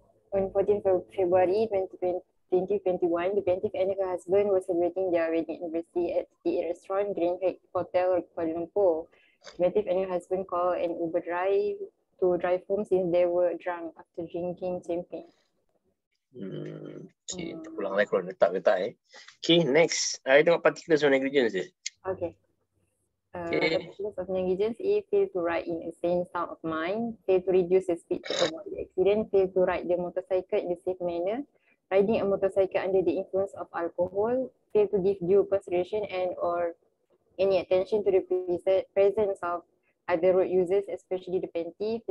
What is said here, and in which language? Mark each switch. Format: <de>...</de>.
<en>On 14 February 2021, the plaintiff and her husband were celebrating their wedding anniversary at the restaurant Grand Hyatt Hotel Kuala Lumpur. The plaintiff and her husband called an Uber drive to drive home since they were drunk after drinking champagne.</en> <ms>Okay, terpulang lah kalau letak-letak eh.</ms> <en>Okay, next. I tengok particulars of negligence je. Okay. Particulars of negligence, A, fail to write in a sane sound of mind, fail to reduce the speed to avoid the accident, fail to ride the motorcycle in a safe manner, riding a motorcycle under the influence of alcohol, fail to give due consideration and or any attention to the presence of other road users, especially the plaintiff.</en>